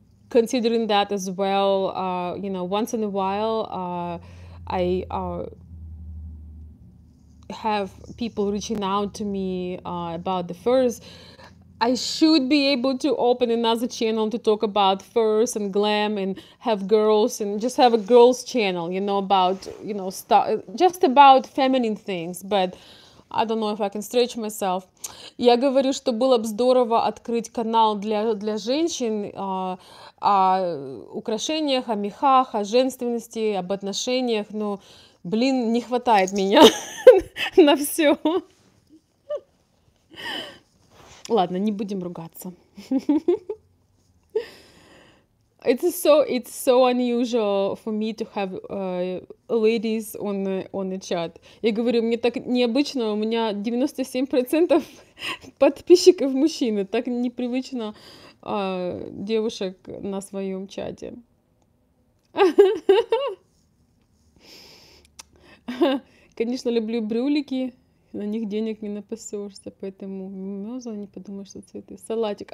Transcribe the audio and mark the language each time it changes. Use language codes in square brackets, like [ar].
[en] considering that as well, you know, once in a while, I have people reaching out to me about the furs. I should be able to open another channel to talk about furs and glam and have girls and just have a girls channel, you know, about, you know, stuff, just about feminine things. But I don't know if I can stretch myself. [ru] Я говорю, что было бы здорово открыть канал для женщин о украшениях, о мехах, о женственности, об отношениях, но, блин, не хватает меня на все. Ладно, не будем ругаться. [en] It's so unusual for me to have ladies on the chat. [ru] Я говорю, мне так необычно, у меня 97% подписчиков мужчины, так непривычно девушек на своем чате. Конечно, люблю брюлики, на них денег не напасешься, поэтому мимоза не подумаешь, что цветы. Салатик.